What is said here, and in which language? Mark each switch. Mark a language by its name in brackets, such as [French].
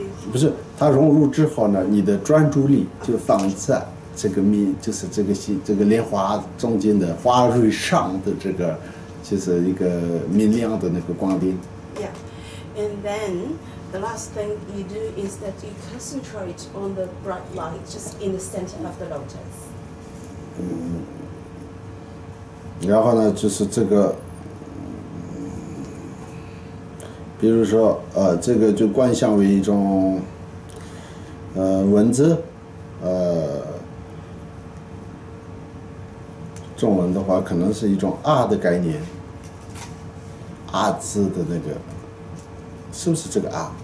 [Chinese] 不是，它融入之后呢，你的专注力就放在这个面，就是这个心，这个莲花中间的花蕊上的这个，就是一个明亮的那个光点。 [English] Yeah, and then the last thing you do is that you concentrate on the bright light just in the center of the lotus. [Chinese] 然后呢，就是这个。比如说这个就观想为一种文字，中文的话可能是一种阿的概念，阿字的那个是不是这个阿、